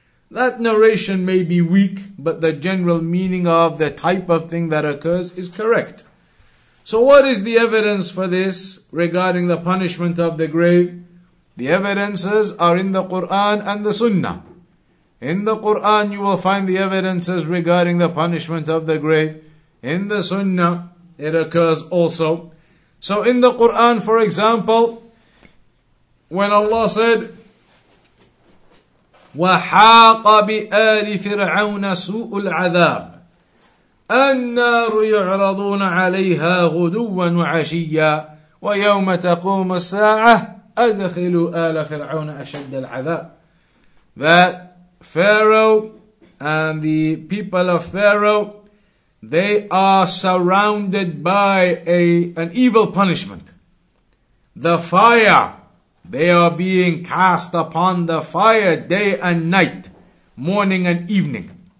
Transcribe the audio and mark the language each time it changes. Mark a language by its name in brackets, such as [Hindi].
[English] That narration may be weak, but the general meaning of the type of thing that occurs is correct. So what is the evidence for this regarding the punishment of the grave? The evidences are in the Qur'an and the Sunnah. In the Qur'an you will find the evidences regarding the punishment of the grave. In the Sunnah it occurs also. So in the Qur'an, for example, when Allah said, [Arabic] وَحَاقَ بِآلِ فِرْعَوْنَ سُوءُ الْعَذَابِ النار يعرضون عليها غدوا وعشيا ويوم تقوم الساعة أدخلوا آل فرعون أشد العذاب. [English] That Pharaoh and the people of Pharaoh, they are surrounded by an evil punishment. The fire, they are being cast upon the fire day and night, morning and evening.